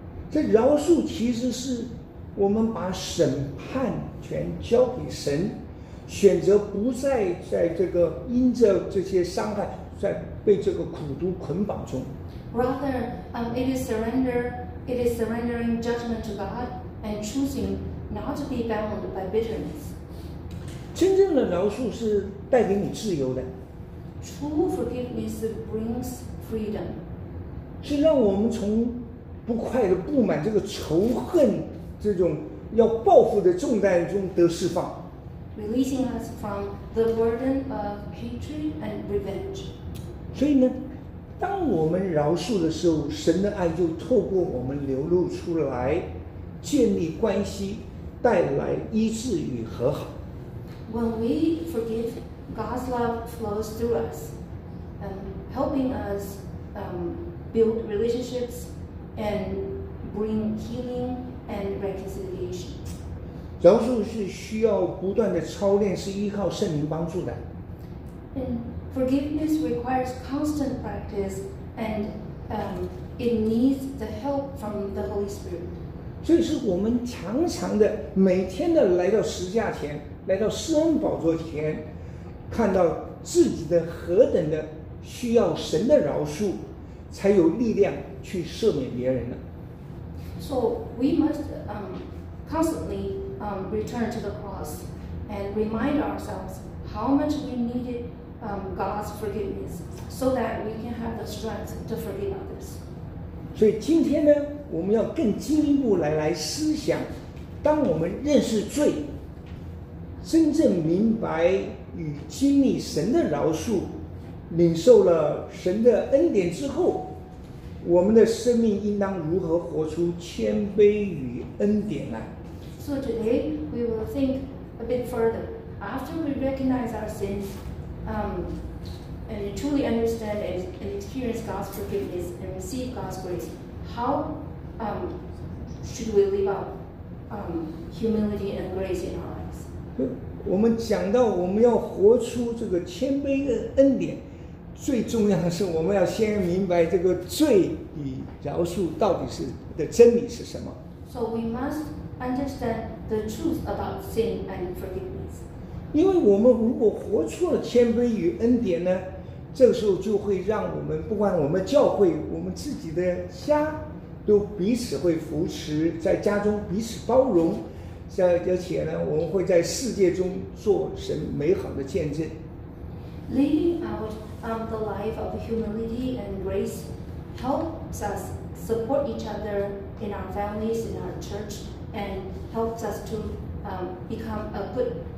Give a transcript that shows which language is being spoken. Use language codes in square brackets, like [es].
[zh] 这饶恕其实是我们把审判权交给神，选择不再在这个因着这些伤害在被这个苦毒捆绑中。 [en] Rather, it is surrendering judgment to God and choosing not to be bound by bitterness. [zh] 真正的饶恕是带给你自由的。 [en] True forgiveness brings freedom. [zh] 是让我们从不快的、不满、这个仇恨、这种要报复的重担中得释放。 [en] Releasing us from the burden of hatred and revenge. [zh] 所以呢？当我们饶恕的时候，神的爱就透过我们流露出来，建立关系，带来医治与和好。 [en] When we forgive, God's love flows through us, helping us build relationships and bring healing and reconciliation. [zh] 饶恕是需要不断的操练，是依靠圣灵帮助的。 [en] Forgiveness requires constant practice, and it needs the help from the Holy Spirit. [zh] 所以是我们常常的、每天的来到十字架前、来到施恩宝座前，看到自己的何等的需要神的饶恕，才有力量去赦免别人呢。 [en] So we must constantly return to the cross and remind ourselves how much we needed. God's forgiveness, so that we can have the strength to forgive others. [zh] 所以今天呢，我们要更进一步来思想，当我们认识罪，真正明白与经历神的饶恕，领受了神的恩典之后，我们的生命应当如何活出谦卑与恩典来？ [en] So today we will think a bit further. After we recognize our sins. And truly understand and experience God's forgiveness and receive God's grace, how should we live out humility and grace in our lives? [zh] 我们讲到我们要活出这个谦卑的恩典，最重要的是我们要先明白这个罪与饶恕到底是的真理是什么。 [en] So we must understand the truth about sin and forgiveness. [zh] 因为我们如果活出了谦卑与恩典呢，这个时候就会让我们不管我们教会、我们自己的家，都彼此会扶持，在家中彼此包容，而且呢，我们会在世界中做神美好的见证。 [en] Living out the life of humility and grace helps us support each other in our families, in our church, and helps us to become a good.